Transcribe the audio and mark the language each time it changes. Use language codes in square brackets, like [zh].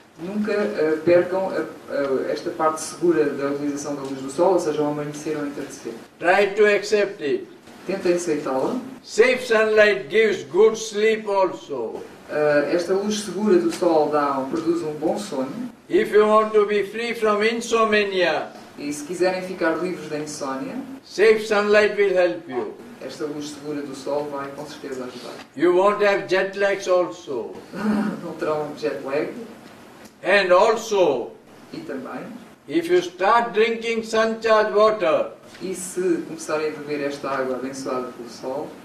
[pt] Nunca percam esta parte segura da utilização da luz do sol, ou seja, ao amanhecer ou entardecer. [en] Try to accept it. [pt] Tentem aceitá-la. [en] Safe sunlight gives good sleep also. [pt] Esta luz segura do sol produz um bom sono. [en] If you want to be free from insomnia, [pt] e se quiserem ficar livres da insónia, [en] safe sunlight will help you. [pt] Esta luz segura do sol vai com certeza ajudar. [en] You won't have jet lags also. [pt] Não terão jet lag. [en] And also, [pt] e também, [en] if you start drinking sun charged water, [pt] e se começarem a beber esta água abençoada pelo sol,